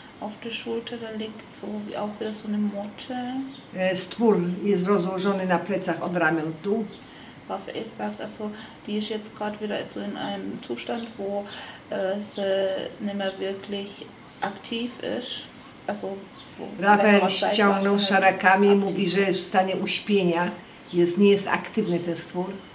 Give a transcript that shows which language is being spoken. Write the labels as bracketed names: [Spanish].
[German] Auf der Schulter liegt so wie auch wieder so eine Motte. [Polish] Stwór jest rozłożony na plecach od ramion tu. [German] Rafael sagt, also die ist jetzt gerade wieder so in einem Zustand, wo sie nicht mehr wirklich aktiv ist. Also, [Polish] Rafael ściągnął szarakami i mówi, że jest w stanie uśpienia, jest, nie jest aktywny ten stwór.